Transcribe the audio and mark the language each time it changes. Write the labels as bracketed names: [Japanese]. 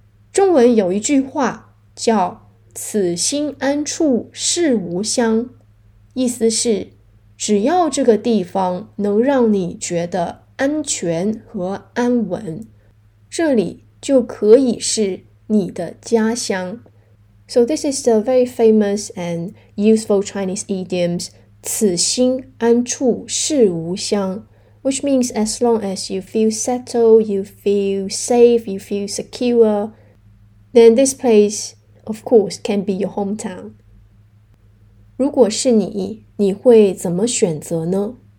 [Chinese] 中文有一句话叫此心安处是吾乡，意思是只要这个地方能让你觉得安全和安稳，这里就可以是你的家乡。 [English] So this is a very famous and useful Chinese idiom, [Chinese] 此心安处是吾乡， [English] which means as long as you feel settled, you feel safe, you feel secure, then this place, of course, can be your hometown. [Chinese] 如果是你，你会怎么选择呢？